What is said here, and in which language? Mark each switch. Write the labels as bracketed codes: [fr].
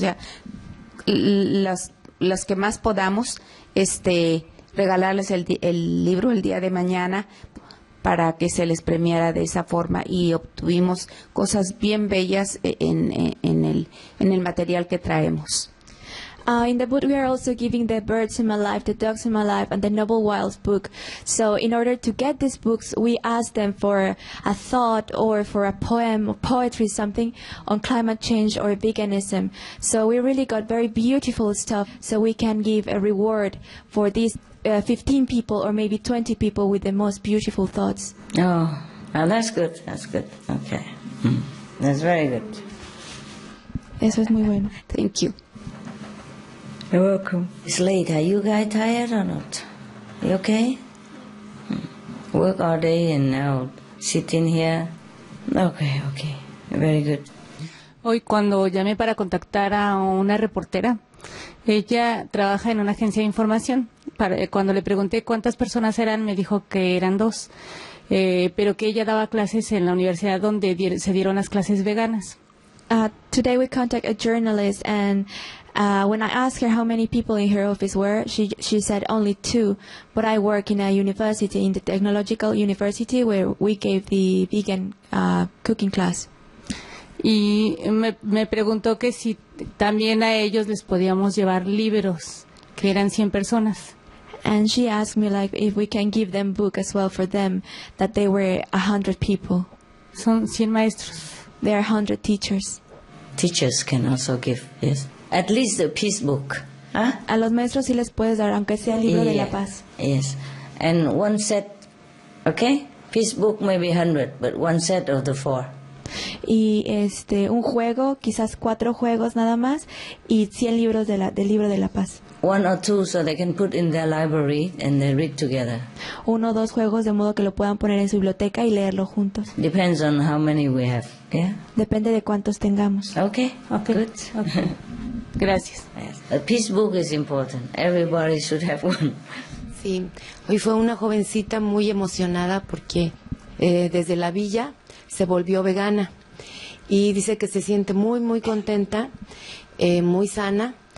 [es] O sea, las que más podamos regalarles el libro el día de mañana para que se les premiara de esa forma. Y obtuvimos cosas bien bellas en el material que traemos. [en] In the book, we are also giving the birds in my life, the dogs in my life, and the noble wilds book. So in order to get these books, we asked them for a thought or for a poem or poetry, something on climate change or veganism. So we really got very beautiful stuff, so we can give a reward for these 15 people or maybe 20 people with the most beautiful thoughts. Oh, well, that's good. Okay. Mm. That's very good. [es] Eso es muy bueno. [en] Thank you. You're welcome. It's late. Are you guys tired or not? You okay? Work all day and now sitting here. Okay. Very good. [es] Hoy cuando llamé para contactar a una reportera, ella trabaja en una agencia de información. Cuando le pregunté cuántas personas eran, me dijo que eran dos, pero que ella daba clases en la universidad donde se dieron las clases veganas. [en] Today we contact a journalist, and when I asked her how many people in her office were, she said only two. But I work in a university, in the technological university, where we gave the vegan cooking class. [es] Y me preguntó que si también a ellos les podíamos llevar libros, que eran 100 personas. [en] And she asked me like if we can give them book as well for them, that they were 100 people. [es] Son 100 maestros. [en] There are 100 teachers. Teachers can also give, yes. At least a peace book. Huh? [es] A los maestros sí les puedes dar, aunque sea el libro de la paz. [en] Yes. And one set, okay? Peace book maybe 100, but one set of the four. [es] Y un juego, quizás cuatro juegos nada más, y 100 libros del libro de la paz. [en] One or two so they can put in their library and they read together. [es] Uno o dos juegos de modo que lo puedan poner en su biblioteca y leerlo juntos. [en] Depends on how many we have. Yeah. [es] Depende de cuántos tengamos. [en] Okay. Good. Okay. Gracias. Yes. A peace book is important. Everybody should have one. [es] Sí. Hoy fue una jovencita muy emocionada porque desde la villa se volvió vegana y dice que se siente muy muy contenta, muy sana.